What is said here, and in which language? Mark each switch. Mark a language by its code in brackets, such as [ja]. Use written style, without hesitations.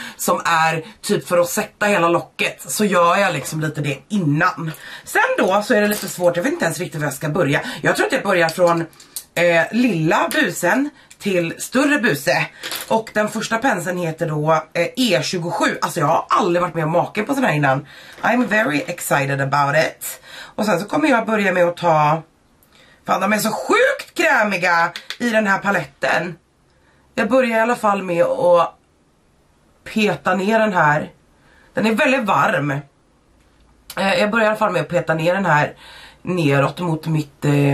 [sv] Som är typ för att sätta hela locket. Så gör jag liksom lite det innan. Sen då så är det lite svårt. Jag vet inte ens riktigt var jag ska börja. Jag tror att jag börjar från lilla busen. Till större buse. Och den första penseln heter då E27. Alltså jag har aldrig varit med om maken på sån här innan. [en] I'm very excited about it. [sv] Och sen så kommer jag börja med att ta, fan de är så sjukt krämiga i den här paletten. Jag börjar i alla fall med att peta ner den här. Den är väldigt varm. Jag börjar i alla fall med att peta ner den här neråt mot mitt